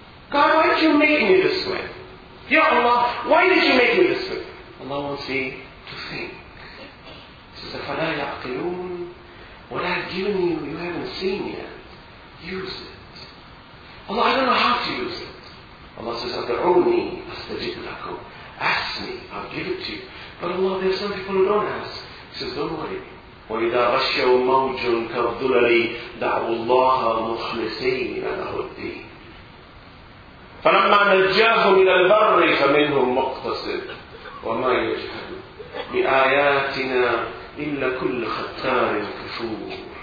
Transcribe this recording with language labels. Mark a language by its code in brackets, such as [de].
[en] God, why did you make me this way? Ya Allah, why did you make me this way? Allah wants me to think. He says, [ar] فَلَا يَعْقِلُونَ. [en] What I've given you, you haven't seen yet. Use it. Allah, I don't know how to use it. Allah says, [ar] أَدْعُونِي أَسْتَجِبْ لَكُمْ. [en] Ask me, I'll give it to you. But Allah, there are some people who don't ask. He says, don't worry. [ar] وَإِذَا غَشَّوْا مَوْجٌ كَالظُّلَلِ دَعُوا اللَّهَ مُخْلِصِينَ لَهُ الدِّينَ فَلَمَّا نَجَّاهُمْ إِلَى الْبَرِّ فَمِنْهُمْ مُقْتَصِدٌ وَمَا يَجْحَدُ بِآيَاتِنَا إِلَّا كُلُّ خَتَّارٍ كَفُورٍ.